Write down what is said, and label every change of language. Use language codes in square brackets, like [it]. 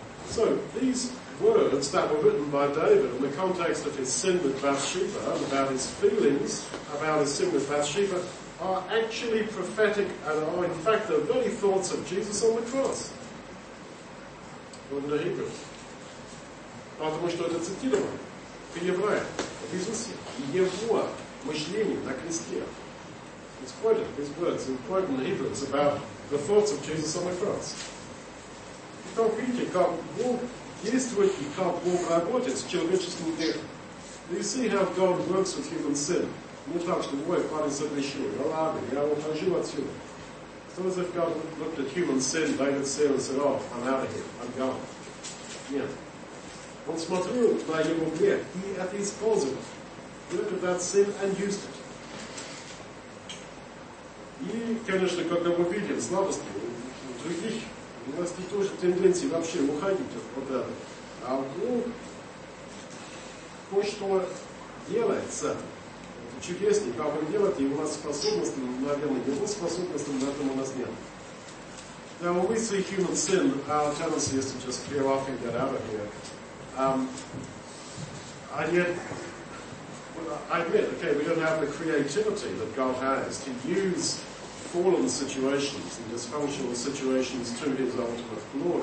[en] So, these words that were written by David in the context of his sin with Bathsheba, about his feelings about his sin with Bathsheba, are actually prophetic and are in fact the very thoughts of Jesus on the cross. According to Hebrews. [ru] Потому что это цитировано в Евреях, в Иисусе, и его мышление на кресте. [en] It's quoted, his words, in quoted in Hebrews about the thoughts of Jesus on the cross. [ru] Как видите, как Бог действует и как Бог работает с человеческим грехом. [en] You see how God works with human sin. [ru] Не так, что ой, парень согрешил, я ладно, я ухожу отсюда. [en] So as if God looked at human sin, David said, oh, I'm out of here, I'm gone. [ru] Нет. Он смотрел на его грех и это использовал. [en] Look at that sin and used it. [ru] И, конечно, когда мы видим слабости у других, у нас есть тоже тенденция вообще уходить от этого. А Бог кое-что делает с этим. Чудесный, как он делает, и у нас способности, наверное, его способности на этом у нас нет. [en] Now, when we see human sin, our tendency is to just clear off and get out of here. And yet, well, I admit, okay, we don't have the creativity that God has to use fallen situations and dysfunctional situations to his ultimate glory.